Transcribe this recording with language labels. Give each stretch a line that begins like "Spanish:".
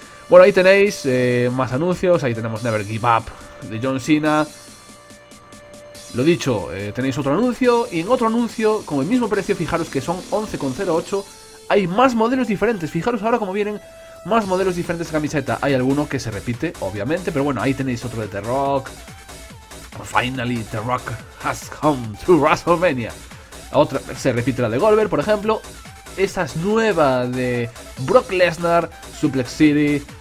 Spanish: Bueno, ahí tenéis más anuncios, ahí tenemos Never Give Up de John Cena. Lo dicho, tenéis otro anuncio, y en otro anuncio, con el mismo precio, fijaros que son 11,08, hay más modelos diferentes. Fijaros ahora cómo vienen más modelos diferentes de camiseta. Hay alguno que se repite, obviamente, pero bueno, ahí tenéis otro de The Rock.
English: Finally, The Rock has come to WrestleMania.
Spanish: Otra, se repite la de Goldberg, por ejemplo. Esa es nueva de Brock Lesnar, Suplex City.